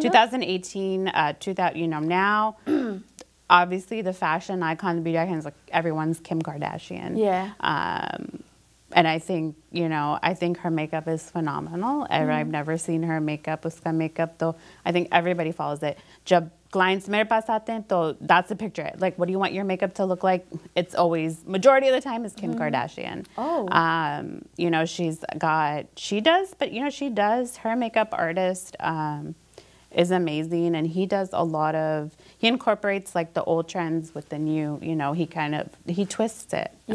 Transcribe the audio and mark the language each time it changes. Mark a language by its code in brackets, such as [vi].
[en] 2018, 2000, you know, now. Obviously, the fashion icon, the beauty icon is like everyone's Kim Kardashian. Yeah. And I think, you know, I think her makeup is phenomenal. Mm-hmm. I've never seen her makeup, [ur] اسکا [en] makeup، though. I think everybody follows it. [ur] جب clients میرے پاس آتے ہیں، تو، [en] that's the picture. Like, what do you want your makeup to look like? It's always, majority of the time, is Kim mm-hmm. Kardashian. Oh. You know, she's got, she does, but, you know, she does. Her makeup artist is amazing, and he does a lot of, he incorporates, like, the old trends with the new, you know, he kind of, he twists it. Yeah.